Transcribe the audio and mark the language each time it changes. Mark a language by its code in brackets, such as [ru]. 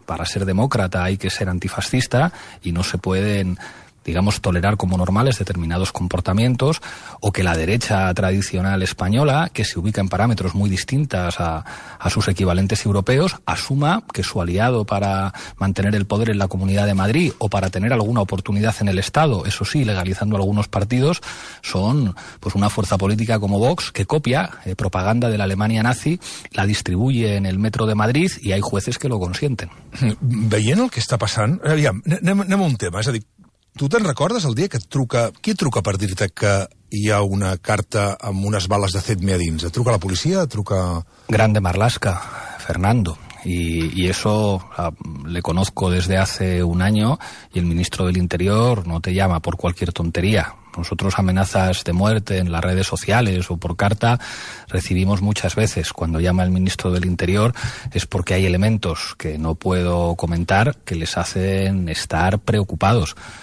[es] Para ser demócrata hay que ser antifascista y no se pueden, digamos, tolerar como normales determinados comportamientos, o que la derecha tradicional española, que se ubica en parámetros muy distintas a sus equivalentes europeos, asuma que su aliado para mantener el poder en la Comunidad de Madrid o para tener alguna oportunidad en el Estado, eso sí, legalizando algunos partidos, son pues una fuerza política como Vox, que copia propaganda de la Alemania nazi, la distribuye en el metro de Madrid y hay jueces que lo consienten. [ca] ¿Veient el que [es] está pasando? [ca] Anem a un tema, [es] es decir, [ca] tu te'n recordes el dia que et truca... Qui et truca per dir-te que hi ha una carta amb unes bales de CETME a dins? Et truca la policia? Et truca... Grande Marlaska, Fernando. [es] Y eso le conozco desde hace un año y el ministro del Interior no te llama por cualquier tontería. Nosotros amenazas de muerte en las redes sociales o por carta recibimos muchas veces. Cuando llama el ministro del Interior es porque hay elementos que no puedo comentar que les hacen estar preocupados.